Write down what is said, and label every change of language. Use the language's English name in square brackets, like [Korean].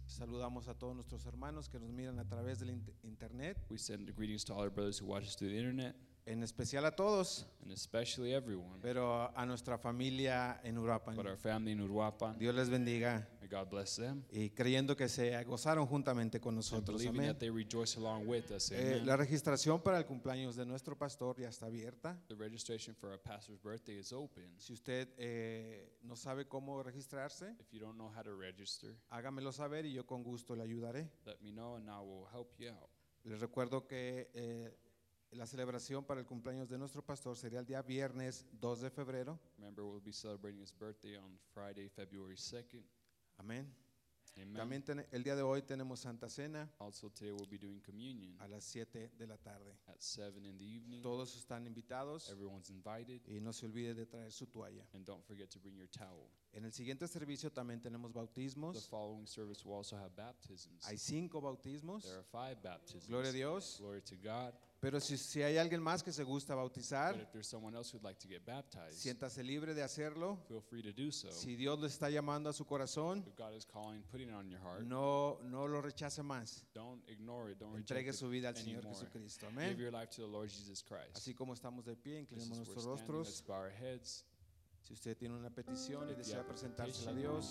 [Spanish] Saludamos a todos nuestros hermanos que nos miran a través del internet. [English] We send greetings to all our brothers who watch us through the internet. [Spanish] En especial a todos, [English] and especially everyone. [Spanish] Pero a nuestra familia en Uruapan. [English] But our family in Uruapan. [Spanish] Dios les bendiga. [English] May God bless them. [Spanish] Y creyendo que se gozaron juntamente con nosotros. [English] And believing that they rejoice along with us. [Spanish] La registración para el cumpleaños de nuestro pastor ya está abierta. [English] The registration for our pastor's birthday is open. [Spanish] Si usted no sabe cómo registrarse, [English] if you don't know how to register, [Spanish] hágamelo saber y yo con gusto le ayudaré. [English] Let me know and I will help you out. [Spanish] Les recuerdo que la celebración para el cumpleaños de nuestro pastor sería el día viernes 2 de febrero. [English] Remember, we'll be celebrating his birthday on Friday, February 2nd. [Spanish] Amén. [English] Amen. [Spanish] También el día de hoy tenemos Santa Cena. [English] Also today we'll be doing communion. [Spanish] A las 7 de la tarde. [English] At 7 in the evening. [Spanish] Todos están invitados. [English] Everyone's invited. [Spanish] Y no se olvide de traer su toalla. [English] And don't forget to bring your towel. [Spanish] En el siguiente servicio también tenemos bautismos. [English] The following service will also have baptisms. [Spanish] Hay 5 bautismos. [English] There are 5 baptisms. [Spanish] Gloria a Dios. [English] Glory to God. [Spanish] Pero si hay alguien más que se gusta bautizar, [English] but if there's someone else who'd like to get baptized, [Spanish] siéntase libre de hacerlo. [English] Feel free to do so. [Spanish] Si Dios le está llamando a su corazón, [English] if God is calling, putting it on your heart, [Spanish] no lo rechace más. [English] Don't ignore it. Don't [Spanish] entregue [English] reject [Spanish] su vida [English] it [Spanish] al [English] anymore. [Spanish] Señor Jesucristo. Amen. [English] Give your life to the Lord Jesus Christ. [Spanish] Así como estamos de pie, inclinemos nuestros rostros. [English] Let's bow our heads. [Spanish] Si usted tiene una petición y desea presentársela a Dios,